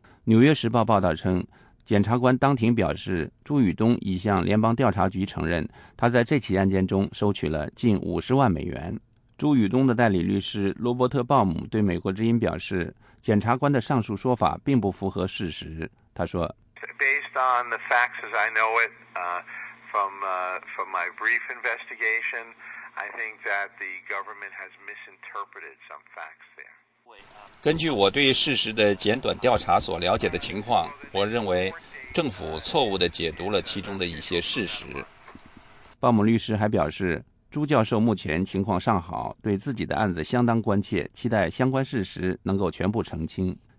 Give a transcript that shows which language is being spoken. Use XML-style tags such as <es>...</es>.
<zh>纽约时报报道称，检察官当庭表示，朱宇东已向联邦调查局承认，他在这起案件中收取了近50万美元。朱宇东的代理律师罗伯特·鲍姆对美国之音表示，检察官的上述说法并不符合事实。他说，</zh> <en>Based on the facts as I know it, from my brief investigation, I think that the government has misinterpreted some facts there.</en> <zh>根据我对事实的简短调查所了解的情况，我认为政府错误地解读了其中的一些事实。鲍姆律师还表示，朱教授目前情况尚好，对自己的案子相当关切，期待相关事实能够全部澄清。</zh>